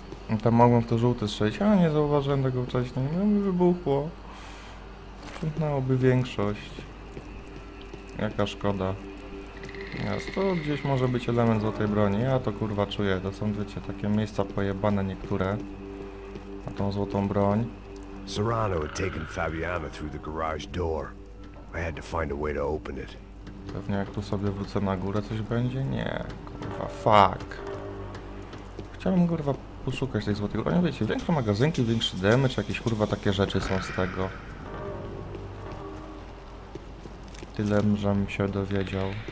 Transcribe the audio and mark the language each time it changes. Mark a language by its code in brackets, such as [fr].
[pl] No tam mogłem w to żółty strzelić, ale nie zauważyłem tego wcześniej. No mi wybuchło. Przyznałoby większość. Jaka szkoda. Teraz to gdzieś może być element złotej broni. Ja to kurwa czuję. To są, wiecie, takie miejsca pojebane niektóre. Na tą złotą broń. [en] Serrano had taken Fabiana through the garage door. I had to find a way to open it. [pl] Pewnie jak tu sobie wrócę na górę, coś będzie? Nie, kurwa, fuck. Chciałbym, kurwa, poszukać tej złotej broni. Wiecie, większe magazynki, większy damage, jakieś, kurwa, takie rzeczy są z tego. Tyle, żebym się dowiedział.